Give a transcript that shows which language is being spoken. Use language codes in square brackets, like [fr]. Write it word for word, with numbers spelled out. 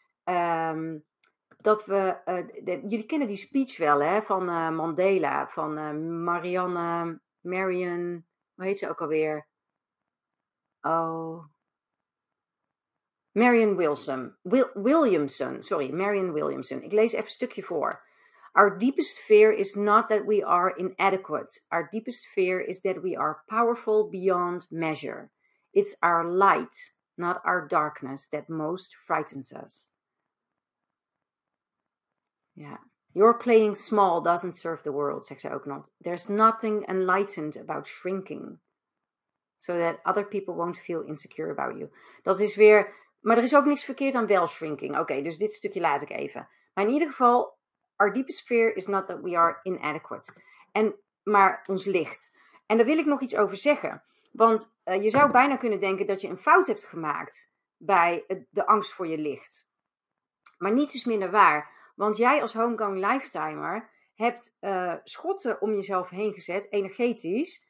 [nl] ehm, dat we. eh, de- jullie kennen die speech wel, hè? Van eh, Mandela. Van eh, Marianne. Marion. Hoe heet ze ook alweer? Oh. Marion Wilson. Wil- Williamson. Sorry, Marion Williamson. Ik lees even een stukje voor. [en] Our deepest fear is not that we are inadequate. Our deepest fear is that we are powerful beyond measure. It's our light, not our darkness, that most frightens us. Yeah. Your playing small doesn't serve the world, [nl] zegt ze ook nog. [en] There's nothing enlightened about shrinking. so that other people won't feel insecure about you. [nl] Dat is weer, maar er is ook niks verkeerd aan wel shrinking. Oké, dus dit stukje laat ik even. Maar in ieder geval, [en] our deepest fear is not that we are inadequate. [nl] En, maar ons licht. En daar wil ik nog iets over zeggen. Want eh, je zou bijna kunnen denken dat je een fout hebt gemaakt bij het- de angst voor je licht. Maar niets is minder waar. Want jij als homegrown lifetimer hebt eh, schotten om jezelf heen gezet, energetisch.